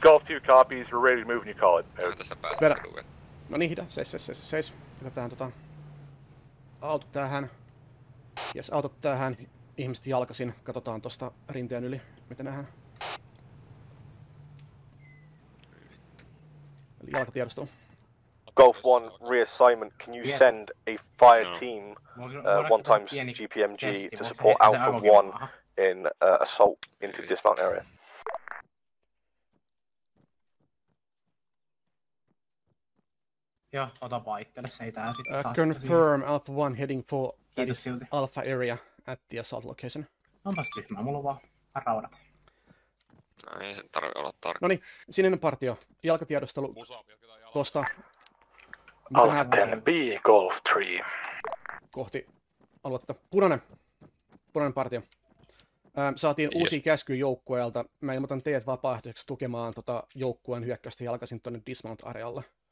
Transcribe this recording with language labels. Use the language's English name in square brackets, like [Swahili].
[English] Golf 2 copies, we're ready to move when you call it. [Finnish] Mä tässä pääsee kadulle. No niin, hita. Seis. Jätetään tota... auto tähän. Yes, auto tähän. Ihmiset jalkasin. Katsotaan tosta rinteen yli, mitä nähdään. Eli jalkatiedostelu. [English] Golf 1 reassignment, can you send a fire team, one times GPMG, to support Alpha 1 in assault into dismount area? [Finnish] Joo, ota vaan itsellesi, ei tää sitten saa confirm sitä. [English] Alpha 1 heading for Alpha area at the assault location. [Finnish] Onpas tyhmää, mulla on vaan raudat. No ei sen tarvi olla tarkka. Noniin, sininen partio, jalkatiedostelu tosta. [English] Alpha 10 B Golf 3. [Finnish] Kohti aluetta. Punainen partio. Saatiin uusia käskyjä joukkueelta. Mä ilmoitan teidät vapaaehtoiseksi tukemaan tota joukkueen hyökkäystä jalkaisin tuonne Dismount-arealle.